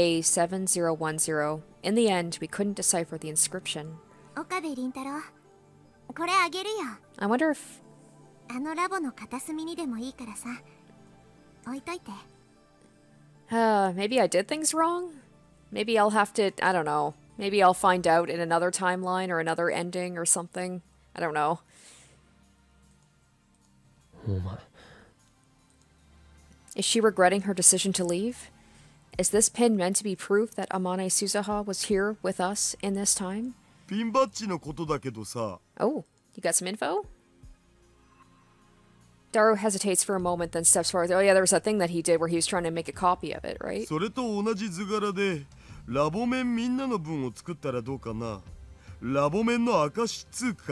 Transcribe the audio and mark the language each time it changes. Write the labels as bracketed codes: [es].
[en] OSHMA7010. In the end, we couldn't decipher the inscription. [ja] Okabe Rintaro. これあげるよ。 [en] I wonder if... [ja] あのラボの片隅にでもいいからさ。置いといて。 [en] Maybe I did things wrong? Maybe I'll have to... I don't know. Maybe I'll find out in another timeline or another ending or something. I don't know. Is she regretting her decision to leave? Is this pin meant to be proof that Amane Suzuha was here with us in this time? [ja] ピンバッジのことだけどさ。 [en] Oh, you got some info? Daru hesitates for a moment, then steps forward. Oh yeah, there was that thing that he did where he was trying to make a copy of it, right? [ja] それと同じ図柄で、ラボメンみんなの分を作ったらどうかな。ラボメンの証っつうか。